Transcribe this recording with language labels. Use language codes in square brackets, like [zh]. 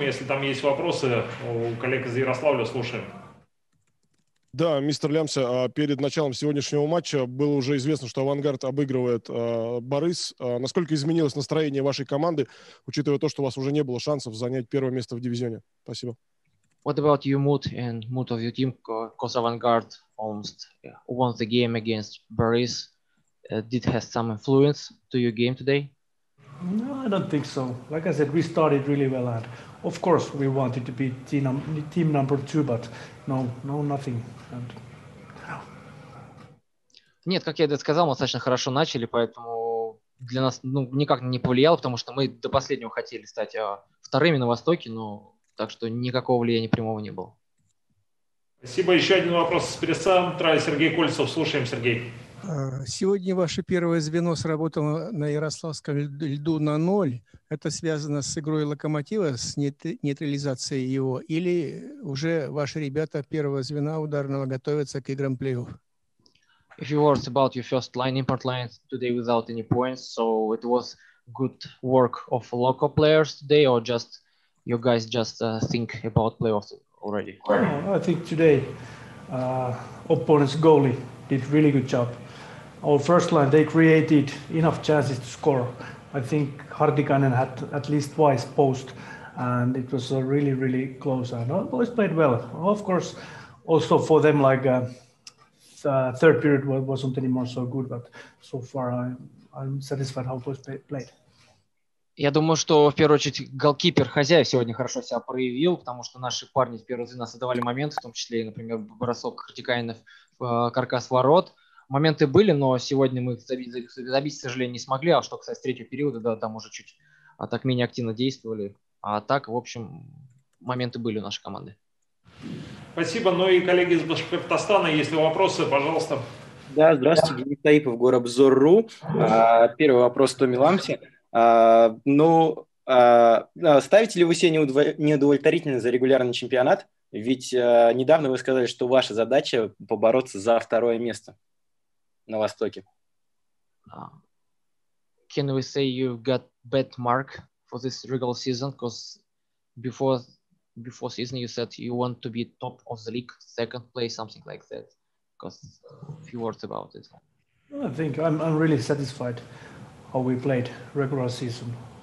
[ru] Если там есть вопросы у коллег из Ярославля, слушаем. Да, мистер Лямся, перед началом сегодняшнего матча было уже известно, что «Авангард» обыгрывает «Барыс». Насколько изменилось настроение вашей команды, учитывая то, что у вас уже не было шансов занять первое место в дивизионе? Спасибо. [en] What about your mood and mood of your team? Because «Авангард» almost won the game against «Барыс». Did have some influence to your game today? No, I don't think so. Like I said, we started really well, and of course we wanted to be team number 2, but no, nothing. And [ru] нет, как я это сказал, мы достаточно хорошо начали, поэтому для нас никак не повлияло, потому что мы до последнего хотели стать вторыми на Востоке, но так что никакого влияния прямого не было. Спасибо. Еще один вопрос с пресс-центра. Сергей Кольцов, слушаем, Сергей. Сегодня ваше первое звено сработало на Ярославском льду на ноль. Это связано с игрой «Локомотива», с нейтрализацией его? Или уже ваши ребята первого звена ударного готовятся к играм плей-офф? [en] If you worry about your first line, import line today without any points, so it was good work of local players today, or just you guys just think about play-offs already? I think today opponent's goalie did really good job. Our first line, they created enough chances to score. I think Hartikainen had at least twice post, and it was a really, really close. And the boys played well. Of course, also for them, like the third period wasn't anymore so good, but so far I'm satisfied how boys played. [ru] Я думаю, что, в первую очередь, голкипер, хозяев сегодня хорошо себя проявил, потому что наши парни в первый раз создавали момент, в том числе, например, бросок Хартикайна в каркас ворот. Моменты были, но сегодня мы их забить, к сожалению, не смогли. А что касается третьего периода, да, там уже чуть так менее активно действовали. А так, в общем, моменты были у нашей команды. Спасибо. Ну и коллеги из Башкортостана, если вопросы, пожалуйста. Да, здравствуйте. Денис Таипов, Горобзор.ру. Первый вопрос Томми Лямся. Ставите ли вы себе неудовлетворительно за регулярный чемпионат? Ведь недавно вы сказали, что ваша задача – побороться за второе место на Востоке. [en] Can we say you got bad mark for this regular season? Because before season you said you want to be top of the league, second place, something like that. Because a few words about it. I think I'm really satisfied how we played regular season.